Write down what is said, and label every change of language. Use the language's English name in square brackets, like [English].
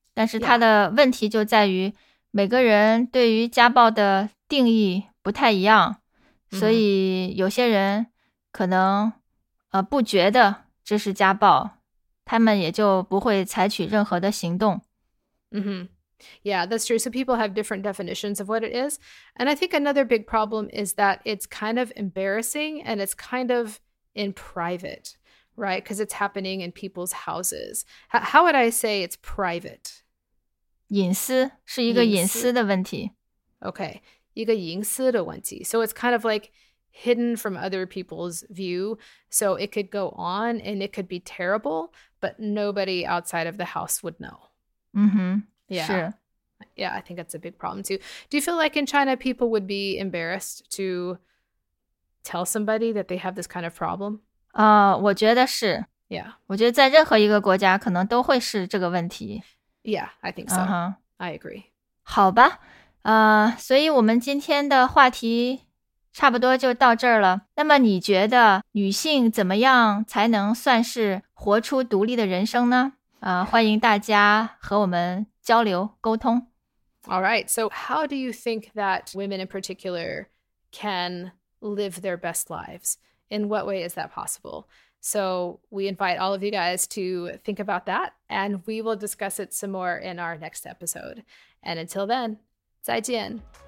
[Chinese] 但是它的问题就在于每个人对于家暴的定义不太一样，所以有些人可能不觉得这是家暴，他们也就不会采取任何的行动。 [English] Yeah, that's true. So people have different definitions of what it is. And I think another big problem is that it's kind of embarrassing and it's kind of in private. Right, because it's happening in people's houses. How would I say it's private? [Chinese] 隐私是一个隐私的问题。 Okay, 一个隐私的问题。 [English] So it's kind of like hidden from other people's view. So it could go on and it could be terrible, but nobody outside of the house would know. Yeah, I think that's a big problem too. Do you feel like in China, people would be embarrassed to tell somebody that they have this kind of problem? [Chinese] 我觉得是。 [English] Yeah. [Chinese] 我觉得在任何一个国家可能都会是这个问题。 [English] Yeah, I think so. I agree. [Chinese] 好吧。所以我们今天的话题差不多就到这儿了。那么你觉得女性怎么样才能算是活出独立的人生呢？欢迎大家和我们交流沟通。 [English] All right, so how do you think that women in particular can live their best lives? In what way is that possible? So we invite all of you guys to think about that, and we will discuss it some more in our next episode. And until then, 再见。